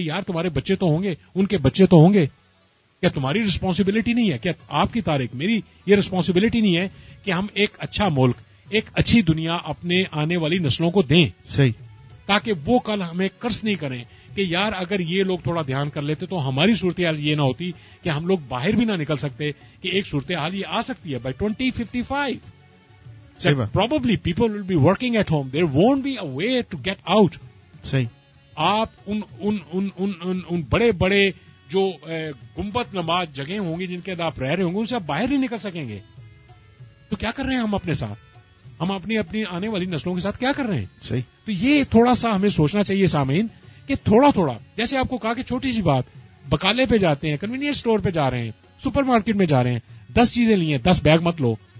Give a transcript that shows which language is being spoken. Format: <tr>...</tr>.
<ur>یار تمہارے بچے تو ہوں گے, ان کے بچے تو ہوں گے, کیا تمہاری ریسپانسبلٹی نہیں ہے؟ کیا آپ کی تاریخ میری یہ ریسپانسبلٹی نہیں ہے کہ ہم ایک اچھا ملک, ایک اچھی دنیا اپنے آنے والی نسلوں کو دیں؟ صحیح, تاکہ وہ کل ہمیں قرض نہیں کریں کہ یار اگر یہ لوگ تھوڑا دھیان کر لیتے تو ہماری صورتحال یہ نہ ہوتی کہ ہم لوگ باہر بھی نہ نکل سکتے, کہ ایک صورتحال یہ آ سکتی ہے by 2055.</ur> <en>Probably people will be working at home. There won't be a way to get out.</en> <ur>صحیح, آپ ان بڑے بڑے جو گنبد نماز جگہیں ہوں گی جن کے اندر آپ رہ رہے ہوں گے, ان سے آپ باہر نہیں نکل سکیں گے. تو کیا کر رہے ہیں ہم اپنے ساتھ, ہم اپنی آنے والی نسلوں کے ساتھ کیا کر رہے ہیں؟ صحیح, تو یہ تھوڑا سا ہمیں سوچنا چاہیے سامعین, کہ تھوڑا تھوڑا جیسے آپ کو کہا کہ چھوٹی سی بات, بکالے پہ جاتے ہیں, کنوینئنس اسٹور پہ جا رہے ہیں, سپر مارکیٹ میں جا رہے ہیں, 10 چیزیں لیے, 10 بیگ مت لو.</ur>